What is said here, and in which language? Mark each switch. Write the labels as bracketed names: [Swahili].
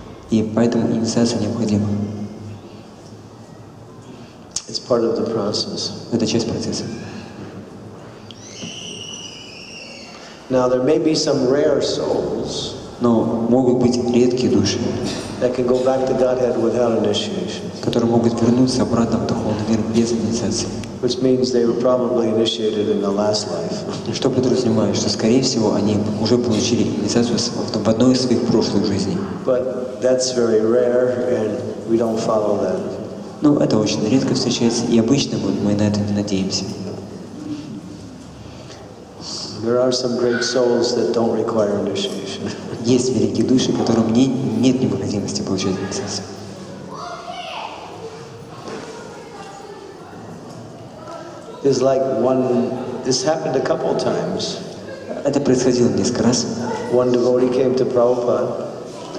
[Russian] И поэтому инициация необходима. [English] It's part of the process. [Russian] Это часть процесса. [English] Now, there may be some rare souls. [Russian] Но могут быть редкие души, [English] that can go back to Godhead without initiation. [Russian] Которые могут вернуться обратно в духовный мир без инициации. [English] Which means they were probably initiated in the last life. [Russian] Что подразумевает, что, скорее всего, они уже получили инициацию в одной из своих прошлых жизней. [English] But that's very rare, and we don't follow that. [Russian] Ну, это очень редко встречается, и обычно мы на это не надеемся. [English] There are some great souls that don't require initiation. [Russian] Есть великие души, которым нет необходимости получать инициацию. [English] It's like one. This happened a couple times. [Russian] Это происходило несколько раз. [English] One devotee came to Prabhupada.